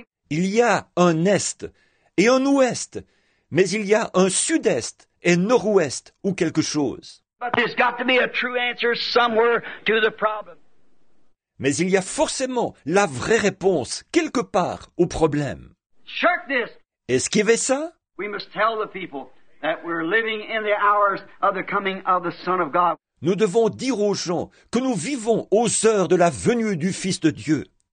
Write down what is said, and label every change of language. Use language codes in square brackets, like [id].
[fr] Il y a un est et un ouest, mais il y a un sud-est et nord-ouest ou quelque chose. [en] But there's got to be a true answer somewhere to the problem. [fr] Mais il y a forcément la vraie réponse quelque part au problème. [en] Shirk this. [fr] Esquivez ça. [en] We must tell the people that we're living in the hours of the coming of the Son of God. [fr] Nous devons dire aux gens que nous vivons aux heures de la venue du Fils de Dieu.